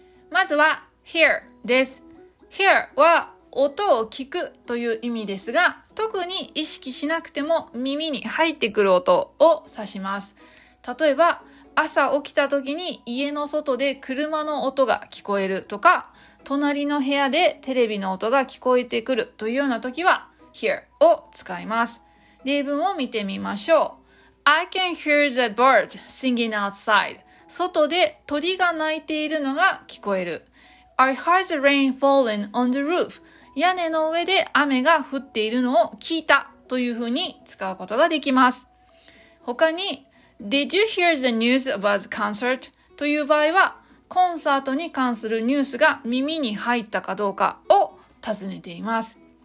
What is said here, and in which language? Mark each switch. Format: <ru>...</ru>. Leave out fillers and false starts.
<ja>まずは hear です。hear は音を聞くという意味ですが、特に意識しなくても耳に入ってくる音を指します。例えば、朝起きた時に家の外で車の音が聞こえるとか、隣の部屋でテレビの音が聞こえてくるというような時は hear を使います。例文を見てみましょう。</ja> <en>I can hear the bird singing outside.</en> <ja>外で鳥が鳴いているのが聞こえる。</ja> <en>I heard the rain falling on the roof.</en> <ja>屋根の上で雨が降っているのを聞いたというふうに使うことができます。他に、</ja> <en>Did you hear the news about the concert?</en> <ja>という場合は、コンサートに関するニュースが耳に入ったかどうかを尋ねています。</ja>